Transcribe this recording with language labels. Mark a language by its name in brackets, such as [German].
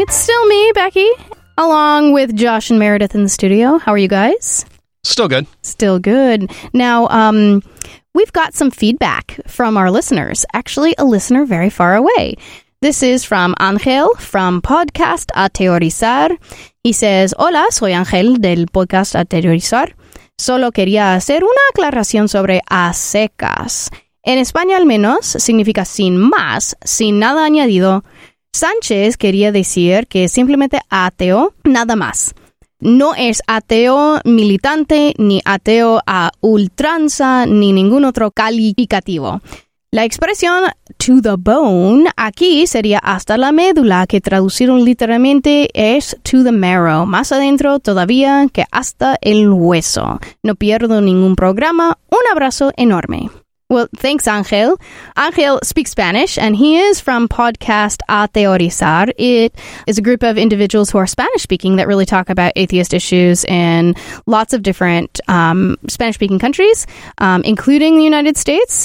[English] It's still me, Becky, along with Josh and Meredith in the studio. How are you guys? Still good. Still good. Now, we've got some feedback from our listeners. Actually, a listener very far away. This is from Angel from Podcast Ateorizar. He says, [Spanish] hola, soy Angel del Podcast Ateorizar. Solo quería hacer una aclaración sobre a secas. En España al menos significa sin más, sin nada añadido. Sánchez quería decir que es simplemente ateo, nada más. No es ateo militante, ni ateo a ultranza, ni ningún otro calificativo. La expresión [English] to the bone [Spanish] aquí sería hasta la médula, que traducieron literalmente es [English] to the marrow, [Spanish] más adentro todavía que hasta el hueso. No pierdo ningún programa. Un abrazo enorme. [English] Well, thanks, [Spanish] Angel. [English] Angel speaks Spanish, and he is from Podcast Ateorizar. It is a group of individuals who are Spanish-speaking that really talk about atheist issues in lots of different Spanish-speaking countries, including the United States.